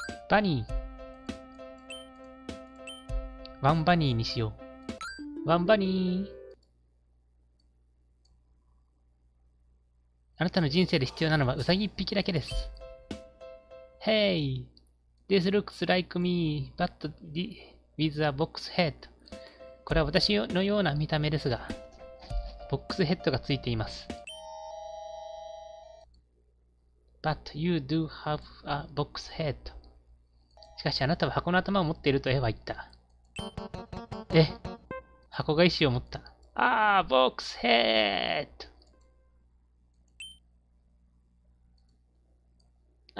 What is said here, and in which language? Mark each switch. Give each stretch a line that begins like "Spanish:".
Japanese: バニー。ワンバニーにしよう。ワンバニー。あなたの人生で必要なのはウサギ一匹だけです。
English: Hey! This looks like me, but with a box head.
Japanese: これは私のような見た目ですが、ボックスヘッドがついています。
English: But you do have a box head.
Japanese: しかしあなたは箱の頭を持っていると絵は言った。え、箱が石を持った。ああ、ボックスヘッド。